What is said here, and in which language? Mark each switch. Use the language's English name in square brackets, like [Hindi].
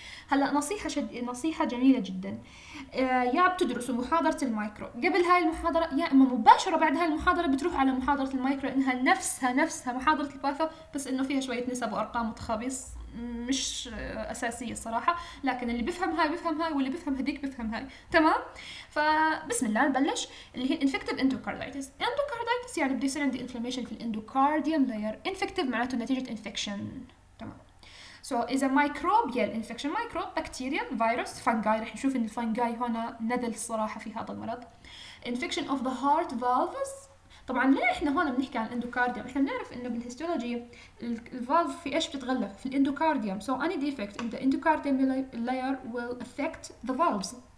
[Arabic] هلا نصيحة نصيحة جميلة جدا، يا بتدرسوا محاضرة المايكرو قبل هاي المحاضرة، يا اما مباشرة بعد هاي المحاضرة بتروحوا على محاضرة المايكرو، انها نفسها محاضرة الباثو بس انه فيها شوية نسب وارقام وتخابيص مش اساسية الصراحة، لكن اللي بفهم هاي بفهم هاي واللي بفهم هذيك بفهم هاي. تمام، فبسم الله نبلش اللي هي انفكتيف اندوكاردايتس. اندوكاردايتس يعني بدي يصير عندي انفلاميشن في الاندوكارديوم لاير، انفكتيف معناته نتيجة انفكشن. [English] So is a microbial infection. Microbe, bacterium, virus, fungi. [Arabic] رح نشوف إن الفانجاي هنا نذل الصراحة في هذا المرض. [English] Infection of the heart valves. [Arabic] طبعاً ليه إحنا هنا بنحكي عن الإندوكارديوم؟ إحنا بنعرف إنه بالهيستولوجي الفالف في إيش بتتغلف؟ في الإندوكارديوم. [English] So any defect in the endocardium layer will affect the valves.